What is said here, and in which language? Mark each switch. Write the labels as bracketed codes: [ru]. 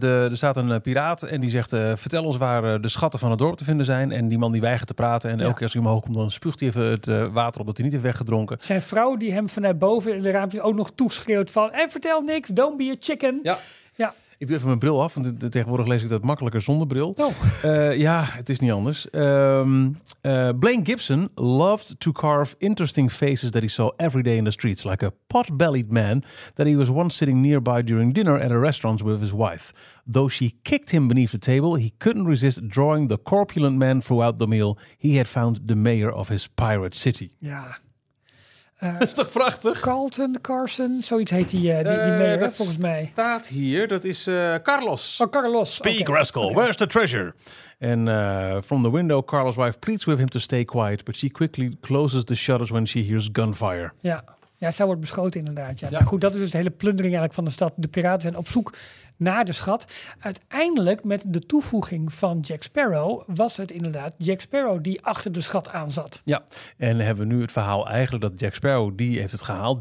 [nl] Er staat een piraat en die zegt, vertel ons waar de schatten van het dorp te vinden zijn. En die man die weigert te praten. En elke keer als hij omhoog komt, dan spuugt hij even het water op dat hij niet heeft weggedronken. Zijn vrouw die hem vanuit boven in de raampjes ook nog toeschreeuwt van, en vertel niks, [en] don't be a chicken. [nl] Ja. Ja. Ik doe even mijn bril af, want tegenwoordig lees ik dat makkelijker zonder bril. Oh. Ja, het is niet anders. [en] Blaine Gibson loved to carve interesting faces that he saw every day in the streets, like a pot-bellied man that he was once sitting nearby during dinner at a restaurant with his wife. Though she kicked him beneath the table, he couldn't resist drawing the corpulent man throughout the meal. He had found the mayor of his pirate city. [nl] Ja. Dat is toch prachtig? Carlton, Carson, zoiets heet die mayor, dat volgens mij. Staat hier, dat is Carlos. Oh, Carlos. [en] Speak, okay. Rascal, okay. Where's the treasure? And from the window, Carlos' wife pleads with him to stay quiet, but she quickly closes the shutters when she hears gunfire. [nl] Ja, ja, zij wordt beschoten inderdaad. Ja. Ja. Nou, goed, dat is dus de hele plundering eigenlijk van de stad. De piraten zijn op zoek naar de schat. Uiteindelijk, met de toevoeging van Jack Sparrow, was het inderdaad Jack Sparrow die achter de schat aan zat. Ja, en hebben we nu het verhaal eigenlijk dat Jack Sparrow, die heeft het gehaald.